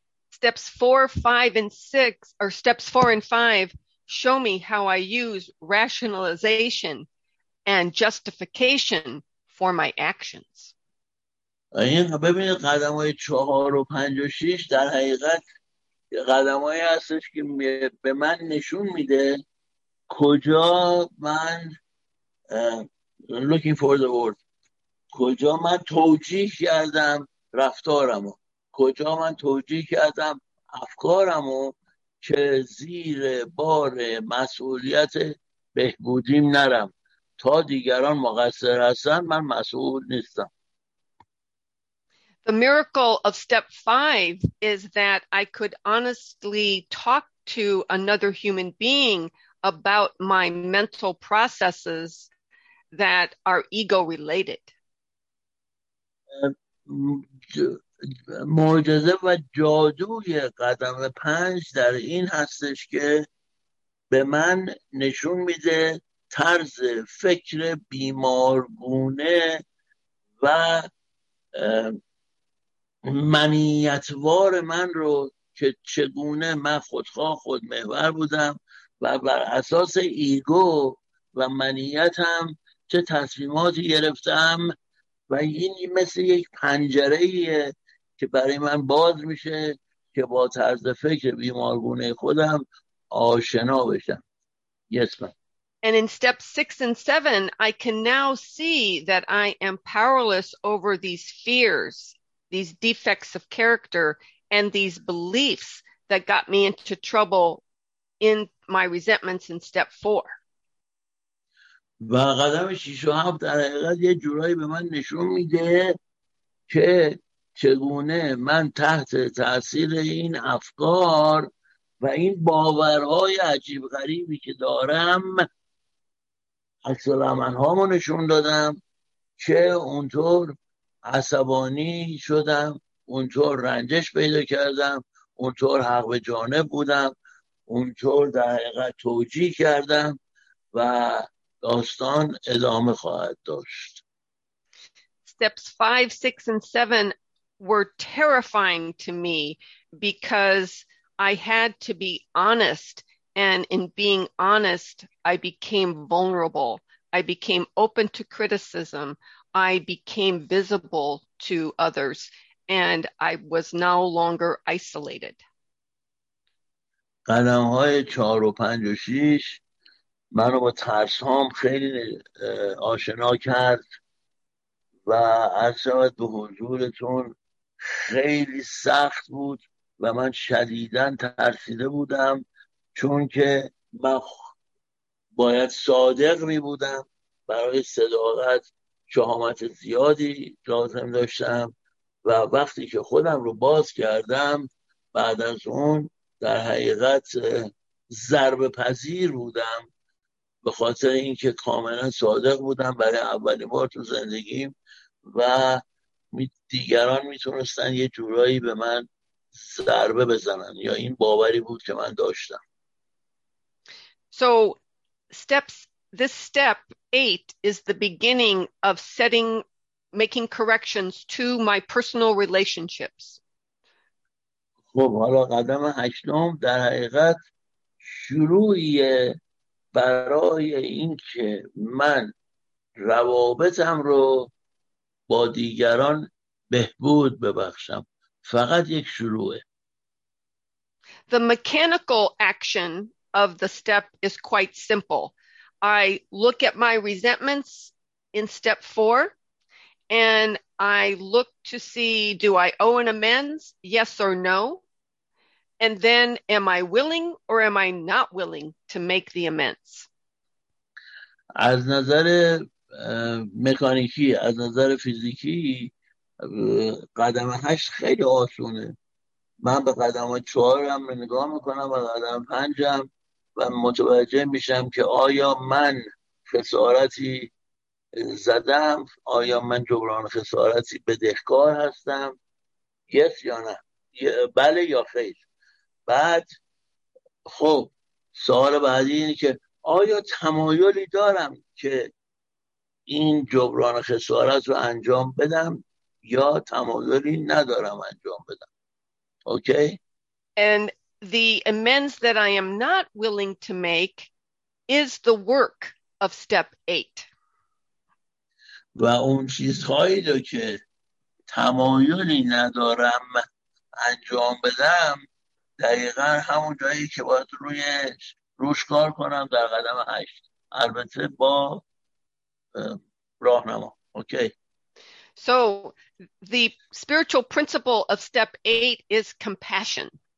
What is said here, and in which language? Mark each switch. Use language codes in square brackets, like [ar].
[en] Steps 4, 5, and 6 or steps 4 and 5 show me how I use rationalization and justification for my actions. [fa] این ببینید قدم‌های 4 و 5 و 6 در حقیقت قدم‌هایی هستش که به من نشون میده کجا من [en] looking for the word، [fa] کجا من توجیه کردم رفتارمو، کجا من توجیه کردم افکارمو که زیر بار مسئولیت بهبودیم نرم. تا دیگران مقصر هستن من مسئول نیستم. [en] The miracle of step 5 is that I could honestly talk to another human being about my mental processes that are ego related. [fa] معجزه و جادوی قدم 5 در این هستش که به من نشون میده طرز فکر بیمارگونه و منیتوار من رو که چگونه من خودخواه خودمحور بودم و بر اساس ایگو و منیتم چه تصمیماتی گرفتم، و این مثل یک پنجره‌ایه که برای من باز میشه که با طرز فکر بیمارگونه خودم آشنا بشم. [en] Yes, ma'am. And in step 6 and 7, I can now see that I am powerless over these fears, these defects of character, and these beliefs that got me into trouble in my resentments in step 4. [fa] و قدم 6 و 7 در حقیقت یه جورایی به من نشون میده که چگونه من تحت تأثیر این افکار و این باورهای عجیب غریبی که دارم عکس‌العمل هامو نشون دادم، که اونطور عصبانی شدم، اونطور رنجش پیدا کردم، اونطور حق به جانب بودم، اونطور در حقیقت توجیه کردم، و داستان ادامه خواهد داشت. [en] Steps 5, 6, and 7 were terrifying to me because I had to be honest, and in being honest I became vulnerable, I became open to criticism, I became visible to others, and I was no longer isolated. [fa] قدم های 4 و 5 و 6 منو با ترس هام خیلی آشنا کرد و عرض به حضورتون خیلی سخت بود و من شدیداً ترسیده بودم، چون که من باید صادق می بودم، برای صداقت شهامت زیادی لازم داشتم، و وقتی که خودم رو باز کردم بعد از اون در حقیقت ضرب پذیر بودم، به خاطر اینکه کاملا صادق بودم برای اولین بار تو زندگیم و دیگران میتونستن یه جورایی به من ضربه بزنن، یا این باوری بود که من داشتم. [en] So this step 8 is the beginning of making corrections to my personal relationships. [fa] خب حالا قدم 8 در حقیقت شروعیه برای اینکه من روابطم رو با دیگران بهبود ببخشم. فقط یک شروعه. [en] The mechanical action of the step is quite simple. I look at my resentments in step 4 and I look to see, do I owe an amends, yes or no? And then am I willing or am I not willing to make the amends? [fa] از نظر مکانیکی، از نظر فیزیکی قدم 8 خیلی آسونه، من به قدم 4 رو نگاه میکنم و قدم 5 و متوجه میشم که آیا من خسارتی زدم، آیا من جبران خسارتی بدهکار هستم [en] yes [fa] یا نه، بله یا خیر. بعد خب سوال بعدی اینه که آیا تمایلی دارم که این جبران خسارت رو انجام بدم یا تمایلی ندارم انجام بدم. [en] Okay. And the amends that I am not willing to make is the work of step 8. [fa] و اون چیزهایی رو که تمایلی ندارم انجام بدم دقیقا همون جایی که باید روش کار کنم در قدم 8، البته با راهنما. [en] Okay. So the spiritual principle of step 8 is compassion.